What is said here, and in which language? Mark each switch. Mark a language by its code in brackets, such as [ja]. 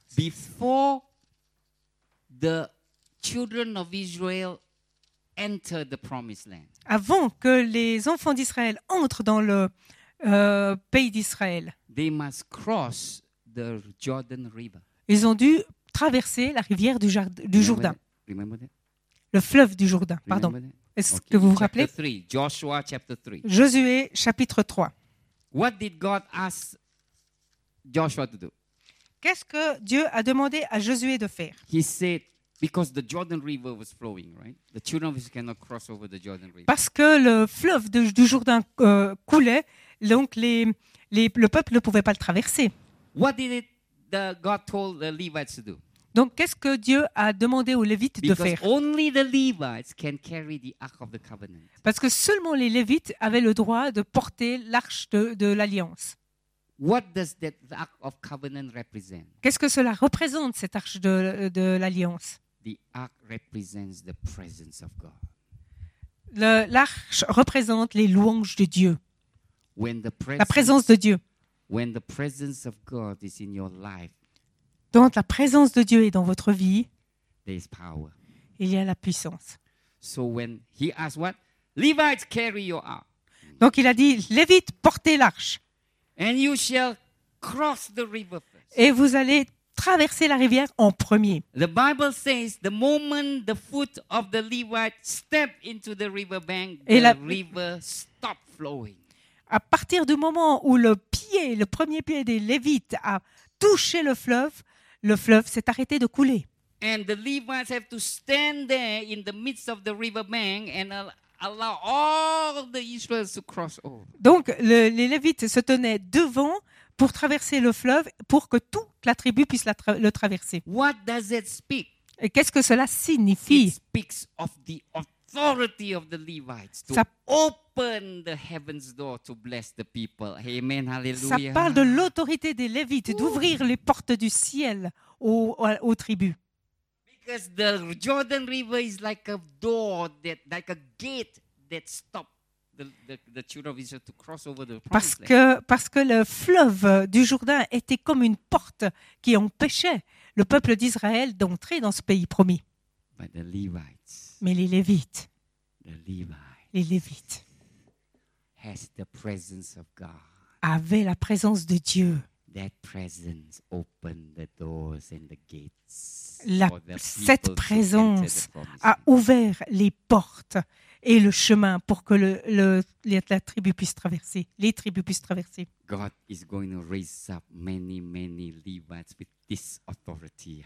[en] Before the children of Israel enter the promised land. [fr] Avant que les enfants d'Israël entrent dans le pays d'Israël, [en] they must cross the Jordan River. [fr] Ils ont dû traverser la rivière du Jourdain. [en] Remember that? [fr] Le fleuve du Jourdain, [en] remember [fr] pardon. [en] That? [fr] Est-ce okay. que vous vous rappelez? [en] Joshua, chapter 3. [fr] Josué, chapitre 3. [en] What did God ask Joshua to do? [fr] Qu'est-ce que Dieu a demandé à Josué de faire? [en] He said, because the Jordan River was flowing, right? The children of Israel cannot cross over the Jordan River. [fr] Parce que le fleuve du Jourdain coulait, donc le peuple ne pouvait pas le traverser. [en] What did God told the Levites to do? [fr] Donc, qu'est-ce que Dieu a demandé aux Lévites [en] Because [fr] de faire? [en] Only the Levites can carry the Ark of the Covenant. [fr] Parce que seulement les Lévites avaient le droit de porter l'Arche de l'Alliance. [en] What does that Ark of Covenant represent? [fr] Qu'est-ce que cela représente, cette Arche de l'Alliance? [en] The Ark represents the presence of God. [fr] L'Arche représente les louanges de Dieu. [en] When the presence, [fr] la présence de Dieu. [en] When the presence of God is in your life, [fr] quand la présence de Dieu est dans votre vie, [en] there is power. [fr] Il y a la puissance. [en] So when he asked what? Levites carry your ark. [fr] Donc il a dit, Lévites, portez l'arche. [en] And you shall cross the river first. [fr] Et vous allez traverser la rivière en premier. [en] The Bible says the moment the foot of the Levite stepped into the river bank, the river stopped flowing. [fr] À partir du moment où le premier pied des Lévites a touché le fleuve, le fleuve s'est arrêté de couler. [en] And the Levites have to stand there in the midst of the river bank and allow all the Israelites to cross over. [fr] Donc les Lévites se tenaient devant pour traverser le fleuve pour que toute la tribu puisse le traverser. [en] What does it speak? [fr] Et qu'est-ce que cela signifie? [en] It speaks of the authority of the Levites to open the heaven's door to bless the people. Amen. Hallelujah. [fr] Ça parle de l'autorité des Lévites d'ouvrir les portes du ciel aux tribus. [en] Because the Jordan River is like a door that like a gate that stops the children of Israel to cross over the promised land. [fr] Parce que le fleuve du Jourdain était comme une porte qui empêchait le peuple d'Israël d'entrer dans ce pays promis. [en] But the Levites. [fr] Mais les Lévites. [en] The Levites. [fr] Les Lévites [en] has the presence of God. [fr] Avaient la présence de Dieu. [en] That presence opened the doors and the gates. [fr] Cette présence a ouvert les portes et le chemin pour que la tribu puisse traverser. Les tribus puissent traverser. [en] God is going to raise up many, many Levites with this authority.